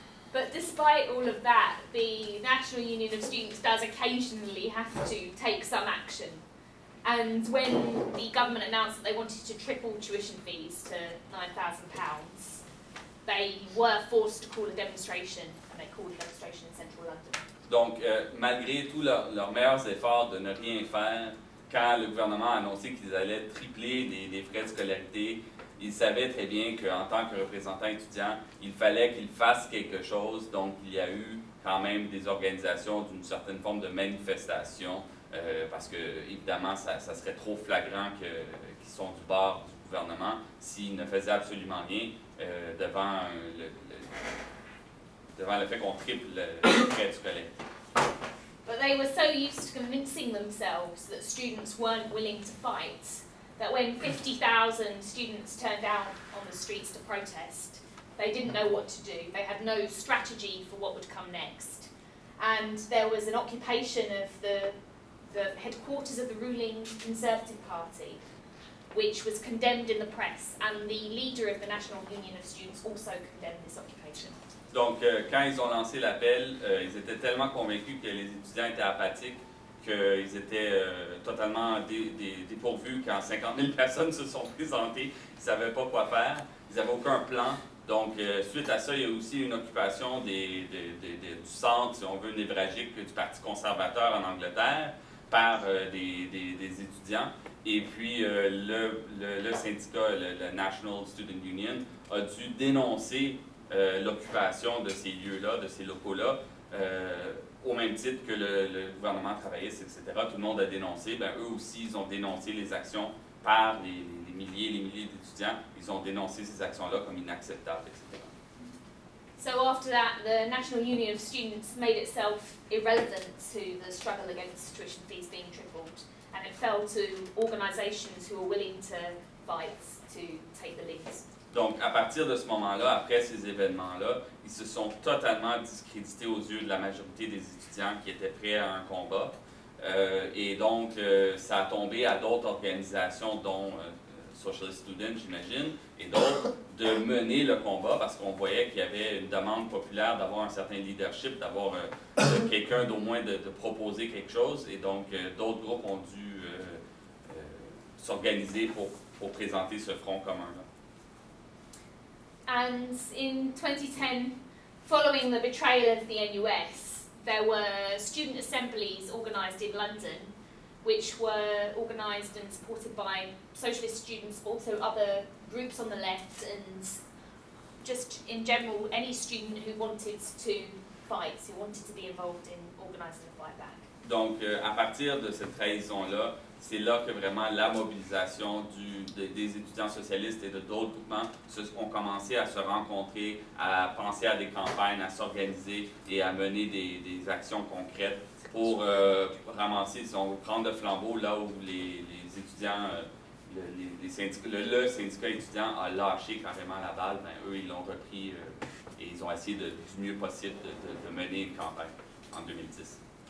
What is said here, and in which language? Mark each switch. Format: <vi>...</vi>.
<en>But despite all of that, the National Union of Students does occasionally have to take some action. And when the government announced that they wanted to triple tuition fees to £9,000, they were forced to call a demonstration, and they called a demonstration in central London.</en> <fr>Donc, malgré tous leurs meilleurs efforts de ne rien faire, quand le gouvernement a annoncé qu'ils allaient tripler les frais de scolarité, ils savaient très bien qu'en tant que représentant étudiant, il fallait qu'ils fassent quelque chose. Donc, il y a eu quand même des organisations d'une certaine forme de manifestation, parce que, évidemment, ça serait trop flagrant qu'ils sont du bord du gouvernement s'ils ne faisaient absolument rien devant le fait qu'on triple les frais de scolarité.</fr> <en>But they were so used to convincing themselves that students weren't willing to fight that when 50,000 students turned out on the streets to protest, they didn't know what to do. They had no strategy for what would come next. And there was an occupation of the headquarters of the ruling Conservative Party, which was condemned in the press, and the leader of the National Union of Students also condemned this occupation.</en> <fr>Donc, quand ils ont lancé l'appel, ils étaient tellement convaincus que les étudiants étaient apathiques qu'ils étaient totalement dépourvus quand 50 000 personnes se sont présentées. Ils ne savaient pas quoi faire, ils n'avaient aucun plan. Donc, suite à ça, il y a aussi une occupation du centre, si on veut, névralgique du Parti conservateur en Angleterre par des étudiants. Et puis, le syndicat, le National Student Union, a dû dénoncer l'occupation de ces lieux-là, de ces locaux-là, au même titre que le gouvernement travailliste, etc. Tout le monde a dénoncé. Ben, eux aussi, ils ont dénoncé les actions par les milliers et les milliers d'étudiants. Ils ont dénoncé ces actions-là comme inacceptables, etc.</fr> <en>So after that, the National Union of Students made itself irrelevant to the struggle against tuition fees being tripled, and it fell to organizations who were willing to fight to take the lead.</en> <fr>Donc, à partir de ce moment-là, après ces événements-là, ils se sont totalement discrédités aux yeux de la majorité des étudiants qui étaient prêts à un combat. Et donc, ça a tombé à d'autres organisations, dont Socialist Students, j'imagine, et d'autres, de mener le combat, parce qu'on voyait qu'il y avait une demande populaire d'avoir un certain leadership, d'avoir quelqu'un d'au moins de proposer quelque chose. Et donc, d'autres groupes ont dû s'organiser pour présenter ce front commun-là.</fr> <en>And in 2010, following the betrayal of the NUS, there were student assemblies organised in London, which were organised and supported by socialist students, also other groups on the left, and just in general, any student who wanted to fight, who wanted to be involved in organising a fight back.</en> <fr>Donc, à partir de cette trahison-là, c'est là que vraiment la mobilisation des étudiants socialistes et de d'autres groupements ont commencé à se rencontrer, à penser à des campagnes, à s'organiser et à mener des actions concrètes pour ramasser, si on veut, prendre le flambeau là où les étudiants, les syndicats, le syndicat étudiant a lâché carrément la balle, ben, eux ils l'ont repris et ils ont essayé du mieux possible de mener une campagne en 2010.</fr>